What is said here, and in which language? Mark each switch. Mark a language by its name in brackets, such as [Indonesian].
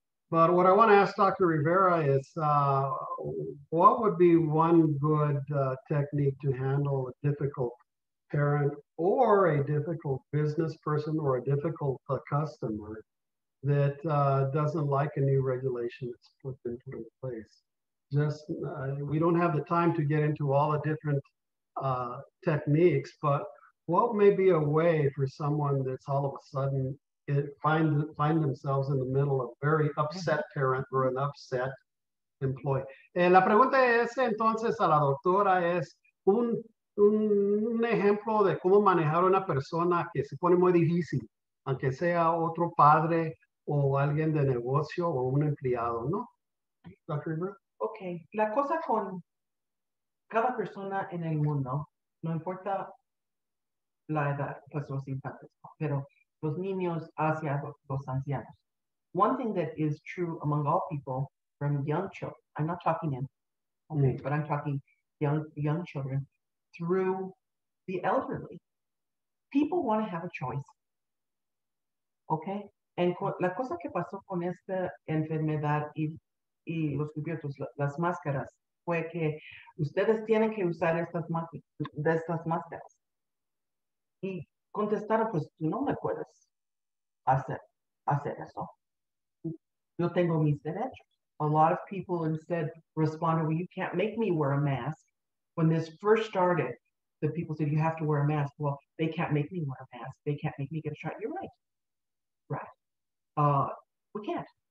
[English] But what I want to ask Dr. Rivera is, what would be one good technique to handle a difficult parent or a difficult business person or a difficult customer that doesn't like a new regulation that's put in place? We don't have the time to get into all the different techniques, but what may be a way for someone that's all of a sudden find themselves in the middle of a very upset parent or an upset employee. [Spanish] La pregunta es entonces a la doctora es un ejemplo de cómo manejar una persona que se pone muy difícil, aunque sea otro padre o alguien de negocio o un empleado, ¿no? Dr. Rivera. Okay, la cosa con cada persona en el mundo, no importa la edad, pues los infantes, pero los niños hacia los ancianos. [English] One thing that is true among all people from young children, I'm not talking in, okay, but I'm talking young children through the elderly. People want to have a choice. Okay? And [Spanish] la cosa que pasó con esta enfermedad y los cubiertos, las máscaras, fue que ustedes tienen que usar estas máscaras. Y contestaron, pues tú no me puedes hacer eso. Yo tengo mis derechos. [English] A lot of people instead responded, well, you can't make me wear a mask. When this first started, the people said, you have to wear a mask. Well, they can't make me wear a mask. They can't make me get a shot. You're right. Right. We can't.